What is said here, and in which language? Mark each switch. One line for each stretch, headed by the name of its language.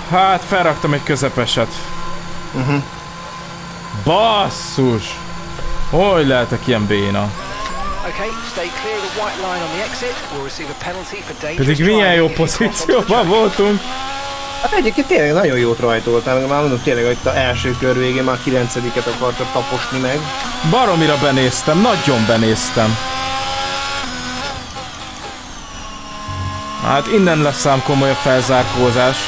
Hungarian: Hát felraktam egy közepeset. Basszus! Hogy lehetek ilyen béna?
English: Okay, stay clear of the white line on the exit. We'll receive a penalty for dangerous.
Hungarian: Pedig milyen jó pozícióban voltunk. Hát egyébként tényleg nagyon jót rajtoltál, meg már mondom tényleg, hogy itt a első kör végén már a 9-et akartad taposni meg. Baromira benéztem, nagyon benéztem. Hát innen lesz ám komoly a felzárkózás.